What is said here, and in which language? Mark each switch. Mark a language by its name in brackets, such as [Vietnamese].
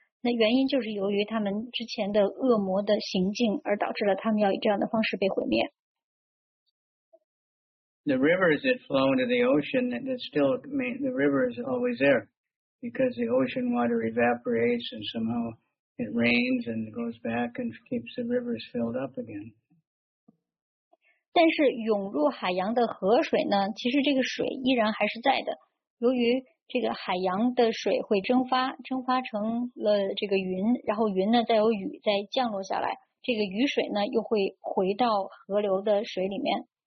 [Chinese] 那原因就是由于他们之前的恶魔的行径，而导致了他们要以这样的方式被毁灭。 [English] The rivers that flow into the ocean, that still mean the river is always there, because the ocean water evaporates and somehow it rains and goes back and keeps the rivers filled up again. [Chinese] 但是涌入海洋的河水呢，其实这个水依然还是在的。由于这个海洋的水会蒸发，蒸发成了这个云，然后云呢再有雨再降落下来，这个雨水呢又会回到河流的水里面。